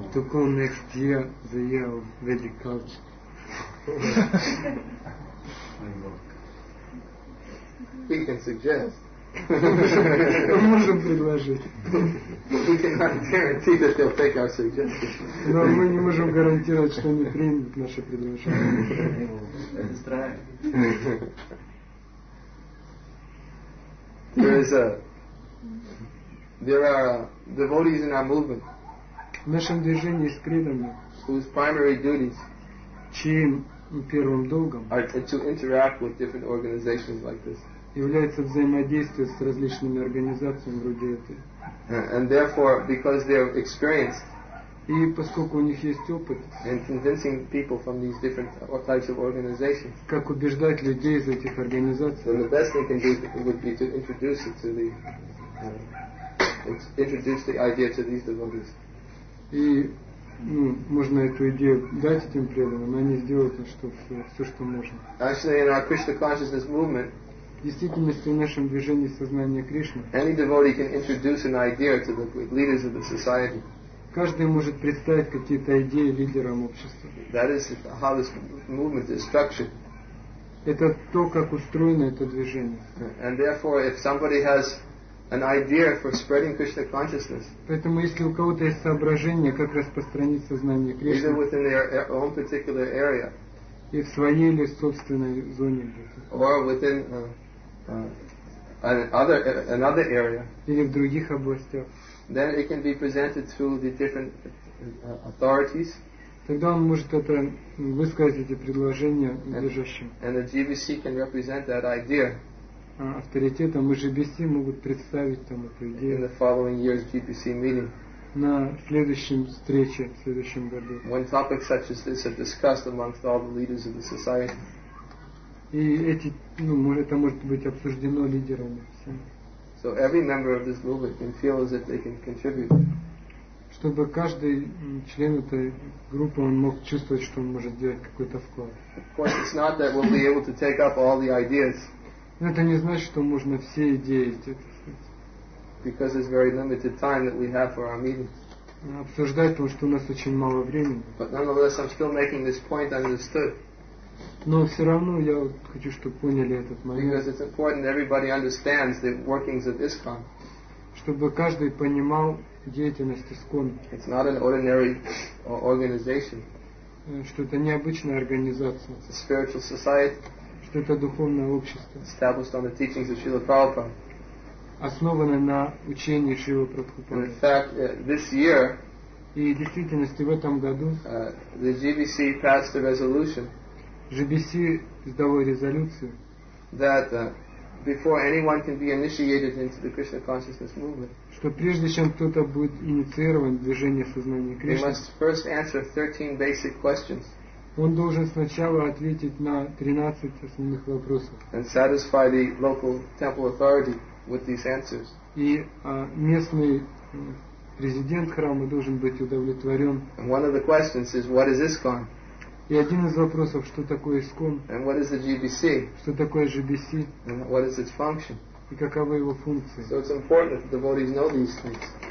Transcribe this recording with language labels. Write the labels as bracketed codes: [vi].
[en] to call next year the year of Vedic culture? We can suggest. [ru] Мы можем предложить. [en] We cannot guarantee that they'll take our suggestion. [ru] Но мы не можем гарантировать, что они примут наше предложение. [en] There are devotees in our movement. [ru] В нашем движении есть преданные. [en] Whose primary duties? [ru] Чьим первым долгом? [en] Are to interact with different organizations like this. [ru] Является взаимодействие с различными организациями вроде этой. [en] And therefore, because they're experienced, [ru] и поскольку у них есть опыт, [en] in convincing people from these different types of organizations, [ru] как убеждать людей из этих организаций, [en] then the best thing can do would be to introduce it to the introduce the idea to these devotees. [ru] И ну, можно эту идею дать этим преданным, они сделают все, что можно. [en] Actually, in our Krishna consciousness movement. [ru] В действительности в нашем движении сознания Кришны. [en] Any devotee can introduce an idea to the leaders of the society. [ru] Каждый может представить какие-то идеи лидерам общества. [en] That is how this movement is structured. [ru] Это то, как устроено это движение. [en] And therefore, if somebody has an idea for spreading Krishna consciousness, [ru] поэтому если у кого-то есть соображение, как распространить сознание Кришны, [en] either within their own particular area, [ru] и в своей или собственной зоне, [en] or within another area. [ru] Или в других областях. [en] Then it can be presented through the different authorities. [ru] Тогда он может это высказать эти предложения надлежащим. [en] And the GVC can represent that idea. [ru] Авторитетом и GBC могут представить там эту идею. [en] In the following year's GBC meeting. [ru] На следующем встрече, в следующем году. [en] When topics such as this are discussed amongst all the leaders of the society. [ru] И эти, ну, это может быть обсуждено лидерами. [en] So every member of this movement can feel as if they can contribute. [ru] Чтобы каждый член этой группы он мог чувствовать, что он может делать какой-то вклад. [en] Of course, it's not that we'll be able to take up all the ideas. [ru] Но это не значит, что можно все идеи сделать. [en] Because it's very limited time that we have for our meeting. [ru] Обсуждать, потому что у нас очень мало времени. [en] But nonetheless, I'm still making this point understood. [ru] Но все равно я хочу, чтобы поняли этот момент. [en] Because it's important everybody understands the workings of ISKCON. [ru] Чтобы каждый понимал деятельность ISKCON. [en] It's not an ordinary organization. [ru] Что это необычная организация. [en] It's a spiritual society. [ru] Что это духовное общество. [en] Established on the teachings of Srila Prabhupada. [ru] Основаны на учении Шрилы Прабхупады. [en] In fact, this year, [ru] и в действительности в этом году, [en] the GBC passed a resolution, [ru] GBC сдало резолюцию, [en] that before anyone can be initiated into the Krishna consciousness movement, [ru] что прежде чем кто-то будет инициирован в движение сознания Кришны, [en] they must first answer 13 basic questions. [ru] Он должен сначала ответить на 13 основных вопросов. [en] And satisfy the local temple authority. With these answers. [ru] И местный президент храма должен быть удовлетворен. [en] And one of the questions is, what is ISKCON? [ru] И один из вопросов, что такое ISKCON? [en] And what is the GBC? [ru] Что такое GBC? [en] And what is its function? [ru] И каковы его функции? [en] So it's important that the devotees know these things.